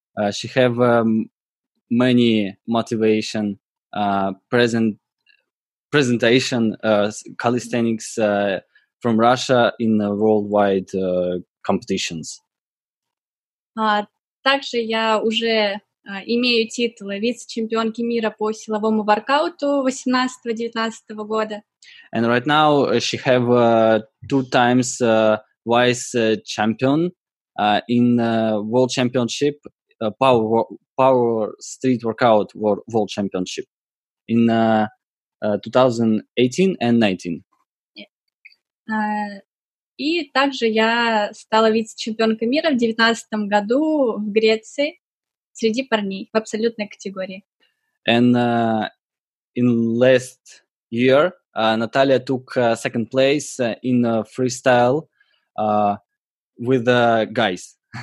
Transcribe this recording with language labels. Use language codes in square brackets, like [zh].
[en] She have many motivation presentation calisthenics from Russia in worldwide competitions. [ru] Также я уже имею титул вице-чемпионки мира по силовому воркауту 18-19 года. [en] And right now she have two times vice champion in world championship power street workout world championship in 2018 and 19. [ru] И также я стала вице-чемпионкой мира в 2019 году в Греции среди парней в абсолютной категории. [en] And in last year, Natalia took second place in freestyle with the guys.